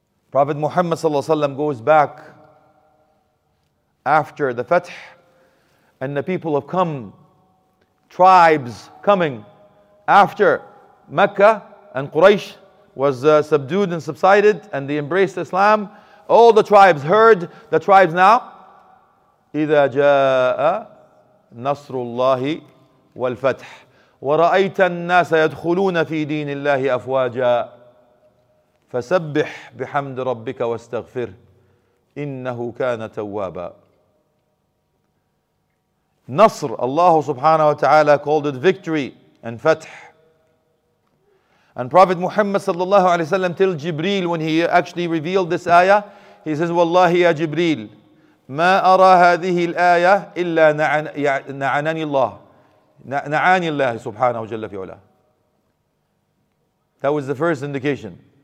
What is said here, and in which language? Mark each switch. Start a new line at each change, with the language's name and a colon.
English: Prophet Muhammad sallallahu alayhi wa sallam goes back after the fatah, and the people have come, tribes coming after Mecca and Quraysh was subdued and subsided and they embraced Islam. All the tribes heard, the tribes now,
Arabic: إِذَا جَاءَ نَصْرُ اللَّهِ وَالْفَتْحِ وَرَأَيْتَ النَّاسَ يَدْخُلُونَ فِي دِينِ اللَّهِ أَفْوَاجًا فَسَبِّحْ بِحَمْدِ رَبِّكَ وَاسْتَغْفِرْ إِنَّهُ كَانَ تَوَّابًا نَصْر Allah subhanahu wa ta'ala
English: called it victory and fath. And Prophet Muhammad sallallahu alayhi wa sallam tells Jibreel when he actually revealed this ayah, he says, Wallahi ya Jibreel,
Arabic: مَا أَرَى هَذِهِ الْآيَةِ إِلَّا نَعَنَنِي اللَّهِ نَعَانِي اللَّهِ سُبْحَانَهُ جَلَّ فِي عُلَىٰ
English: That was the first indication.